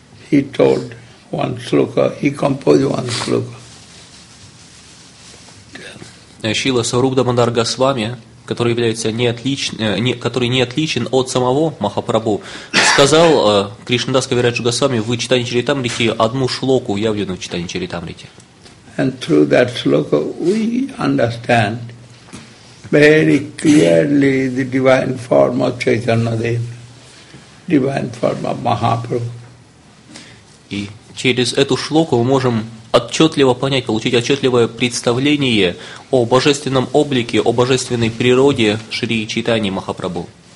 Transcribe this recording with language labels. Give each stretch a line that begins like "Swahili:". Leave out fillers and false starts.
English: He told one sloka, he composed one sloka.
Russian: Шрила Сваруп Дамодар Госвами, который является который не отличен от самого Махапрабху, сказал Кришнадас Кавираджу Госвами в читании Чаритамрити одну шлоку, явленную в читании Чаритамрити.
English: And through that sloka we understand very clearly the divine form of Chaitanya Dev, divine form of Mahaprabhu.
Russian: И через эту шлоку мы можем отчетливо понять, получить отчетливое представление о божественном облике, о божественной природе Шри Чайтаньи Махапрабху.